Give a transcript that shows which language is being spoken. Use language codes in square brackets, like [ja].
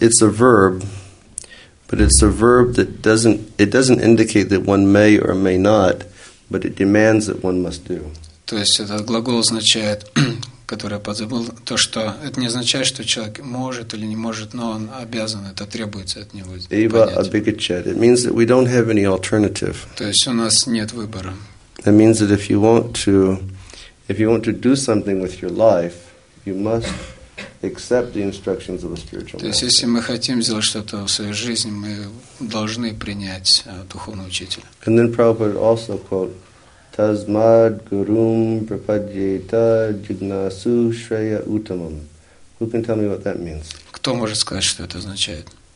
[en] verb, but it's a verb that doesn't indicate that one may or may not, but it demands that one must do. [ru] То есть этот глагол означает который подзабыл, то, что это не означает, что человек может или не может, но он обязан, это требуется от него. [sa] Eva abhigachat. [en] It means that we don't have any alternative. [ru] То есть у нас нет выбора. [en] It means that if you want to do something with your life, you must accept the instructions of a spiritual master. [ru] То есть если мы хотим сделать что-то в своей жизни, мы должны принять духовного учителя. [en] And then Prabhupada also quote, [sa] Tasmad gurum prapadyeta jignasu shreya uttamam. [en] Who can tell me what that means? [ru] Кто может сказать, что это означает?